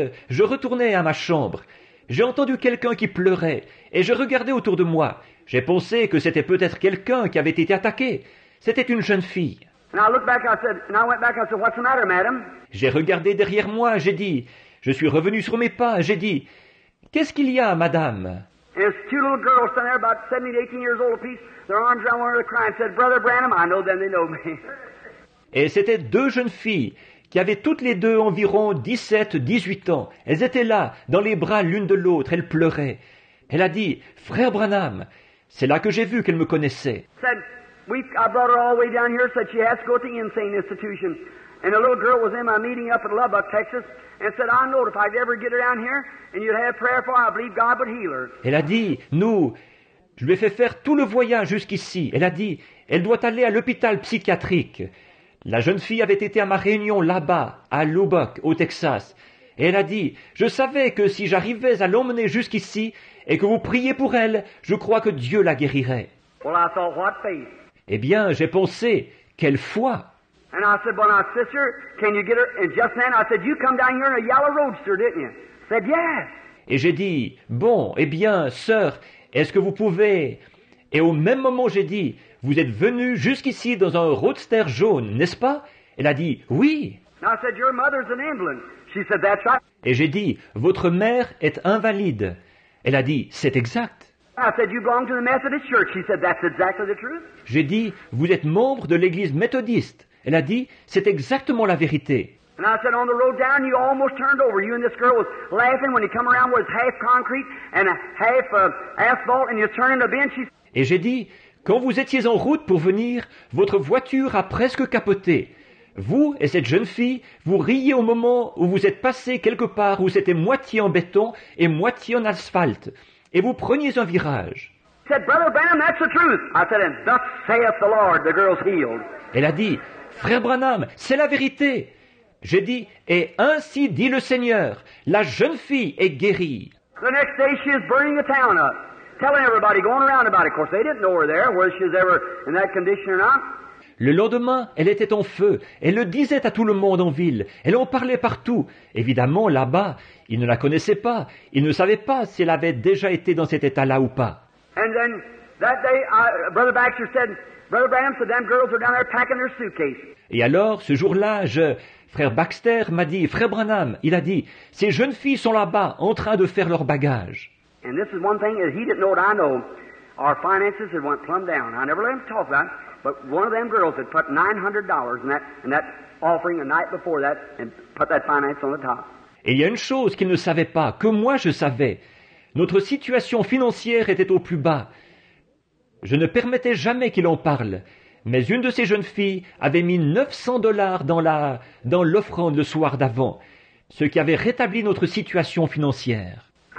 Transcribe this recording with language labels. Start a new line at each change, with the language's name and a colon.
French: Je retournais à ma chambre. J'ai entendu quelqu'un qui pleurait et je regardais autour de moi. J'ai pensé que c'était peut-être quelqu'un qui avait été attaqué. C'était une jeune fille.
English: And I went back, I said, what's the matter, madam?
French: J'ai regardé derrière moi, j'ai dit, je suis revenu sur mes pas, j'ai dit, qu'est-ce qu'il y a, madame?
English: It's two little girls standing there, about 17 to 18 years old apiece. Their arms around one of them crying. Said, Brother Branham, I know them, they know me.
French: Et c'était deux jeunes filles qui avaient toutes les deux environ 17-18 ans. Elles étaient là, dans les bras l'une de l'autre. Elles pleuraient. Elle a dit, Frère Branham, c'est là que j'ai vu qu'elle me connaissait.
English: Said, I brought her all the way down here. Said she has to go to the insane institution. And a little girl was in my meeting up in Lubbock, Texas, and said, I know if I'd ever get her down here, and you'd have prayer for her, I believe God would heal her.
French: Elle a dit, nous, je lui ai fait faire tout le voyage jusqu'ici. Elle a dit, elle doit aller à l'hôpital psychiatrique. La jeune fille avait été à ma réunion là-bas, à Lubbock, au Texas. Et elle a dit, je savais que si j'arrivais à l'emmener jusqu'ici et que vous priez pour elle, je crois que Dieu la guérirait.
English: Well, I thought, what faith?
French: Eh bien, j'ai pensé, quelle foi!
English: And I said, well, now, sister, can you get her? And just then, I said, you come down here in a yellow roadster, didn't you? Said, yes.
French: Et j'ai dit, bon, eh bien, sœur, est-ce que vous pouvez? Et au même moment, j'ai dit, vous êtes venue jusqu'ici dans un roadster jaune, n'est-ce pas? Elle a dit, oui.
English: And I said, your mother's an invalid. She said, that's right.
French: Et j'ai dit, votre mère est invalide. Elle a dit, c'est exact.
English: I said, you belong to the Methodist Church. She said, that's exactly the truth.
French: J'ai dit, vous êtes membre de l'église méthodiste. Elle a dit, c'est exactement la vérité.
English: And I said, on the road down, you almost turned over. You and this girl was laughing when you come around with half concrete and half asphalt and you turn in a bench.
French: Et j'ai dit, quand vous étiez en route pour venir, votre voiture a presque capoté. Vous et cette jeune fille, vous riez au moment où vous êtes passé quelque part où c'était moitié en béton et moitié en asphalte. Et vous preniez un virage.
English: I said, Brother Branham, that's the truth. I said, and thus saith the Lord, the girl's healed.
French: Elle a dit, Frère Branham, c'est la vérité. J'ai dit, et ainsi dit le Seigneur, la jeune fille est guérie.
English: The next day she is burning the town up, telling everybody, going around about it. Of course, they didn't know her there, whether she was ever in that condition or not.
French: Le lendemain, elle était en feu. Elle le disait à tout le monde en ville. Elle en parlait partout. Évidemment, là-bas, ils ne la connaissaient pas. Ils ne savaient pas si elle avait déjà été dans cet état-là ou pas.
English: And then, that day, Brother Baxter said, Brother Branham said, them girls are down there packing their suitcase.
French: Et alors, ce jour-là, Frère Baxter m'a dit, Frère Branham, il a dit, ces jeunes filles sont là-bas en train de faire leurs bagages.
English: And this is one thing that he didn't know what I know. Our finances had went plumb down. I never let him talk about it. But one of them girls had put $900 in that offering the night before that and put that finance on the top.
French: Et il y a une chose qu'il ne savait pas, que moi je savais. Notre situation financière était au plus bas. Je ne permettais jamais qu'il en parle. Mais une de ces jeunes filles avait mis $900 dans l'offrande le soir d'avant, ce qui avait rétabli notre situation financière.